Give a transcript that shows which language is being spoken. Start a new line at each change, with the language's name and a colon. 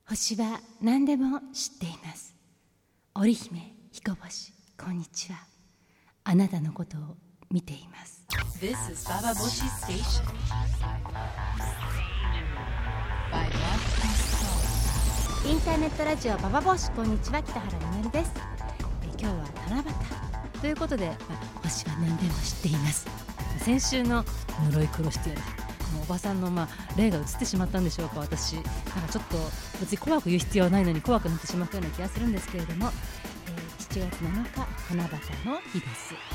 Japanese: 星は何でも知っています。織姫彦星こんにちは。あなたのことを見ています。
English: This is Baba Boshi Station by Love and Soul。
Japanese: インターネットラジオババボシ、こんにちは、北原みのりです。今日は七夕ということで、星は何でも知っています。先週の呪い殺してやる、おばさんの霊が映ってしまったんでしょうか。私なんかちょっと別に怖く言う必要はないのに怖くなってしまったような気がするんですけれども、7月7日七夕の日です。